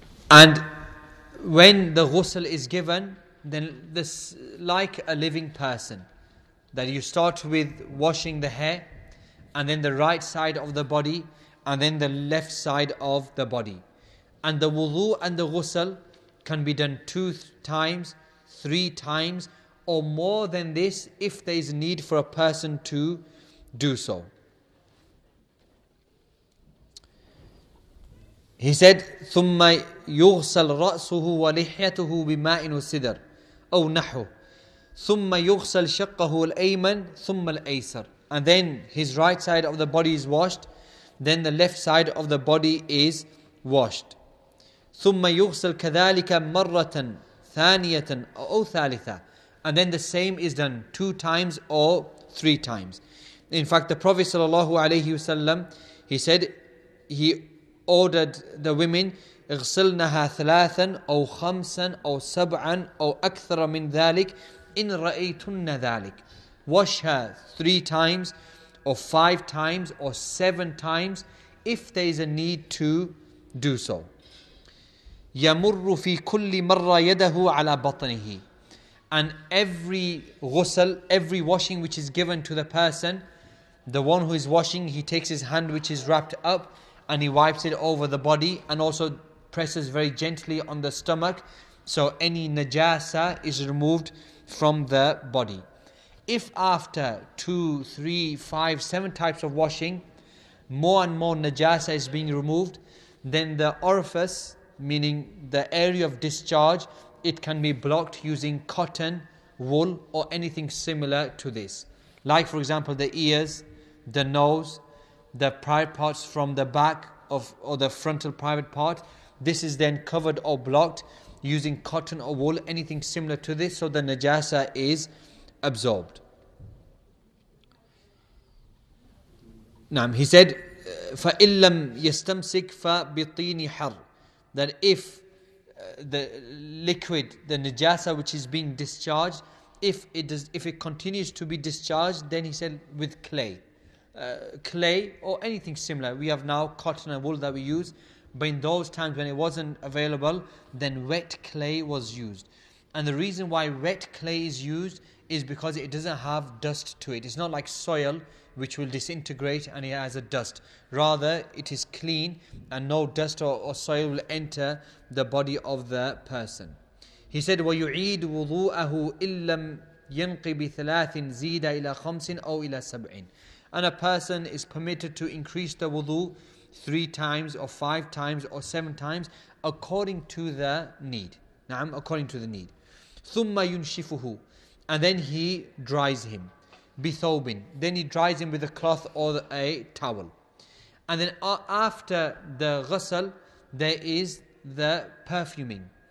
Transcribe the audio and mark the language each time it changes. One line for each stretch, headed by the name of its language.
English: And when the ghusl is given, then this like a living person, that you start with washing the hair, and then the right side of the body, and then the left side of the body. And the wudu and the ghusl can be done 2 times, 3 times, or more than this if there is need for a person to do so. He said,
Arabic: ثُمَّ يُغْسَلْ رَأْسُهُ وَلِحْيَتُهُ بِمَاءٍ وَسِدَرٍ أَوْ نَحُوْ ثُمَّ يُغْسَلْ شَقَّهُ الْأَيْمَنْ ثُمَّ الْأَيْسَرِ.
English: And then his right side of the body is washed, then the left side of the body is washed.
Arabic: ثُمَّ يُغْسَلْ كَذَلِكَ مَرَّةً ثَانِيَةً أَوْ ثَالِثَةً.
English: And then the same is done 2 times or 3 times. In fact, the Prophet sallallahu alayhi wasallam, he said, he ordered the women,
Arabic: اغسلنها ثلاثا أو خمسا أو سبعا أو أكثر من ذلك إن رأيتن ذلك.
English: Wash her 3 times or 5 times or 7 times if there is a need to do so.
Arabic: يمر في كل مرة يده على بطنه.
English: And every ghusl, every washing which is given to the person, the one who is washing, he takes his hand which is wrapped up and he wipes it over the body and also presses very gently on the stomach, so any najasa is removed from the body. If after 2, 3, 5, 7 types of washing, more and more najasa is being removed, then the orifice, meaning the area of discharge, it can be blocked using cotton, wool, or anything similar to this. Like for example, the ears, the nose, the private parts from the back of or the frontal private part, this is then covered or blocked using cotton or wool, anything similar to this, so the najasa is absorbed.
Arabic: Naam,
English: he said,
Arabic: فَإِلَّمْ يَسْتَمْسِكْ فَبِطِينِ حَرْ.
English: That if the liquid, the najasa which is being discharged, if it continues to be discharged, then he said, with clay. Clay or anything similar. We have now cotton and wool that we use, but in those times when it wasn't available, then wet clay was used. And the reason why wet clay is used is because it doesn't have dust to it. It's not like soil which will disintegrate and it has a dust. Rather, it is clean and no dust or soil will enter the body of the person. He said,
Arabic: وَيُعِيدْ وُضُوءَهُ إِلَّمْ يَنْقِ بِثَلَاثٍ زِيدَ إِلَىٰ خَمْسٍ أَوْ إِلَىٰ سَبْعٍ.
English: And a person is permitted to increase the wudu 3 times or 5 times or 7 times according to the need. Na'am, according to the need.
Arabic: ثُمَّ يُنْشِفُهُ.
English: And then he dries him.
Arabic: بِثَوْبٍ.
English: Then he dries him with a cloth or a towel. And then after the ghusl, there is the perfuming.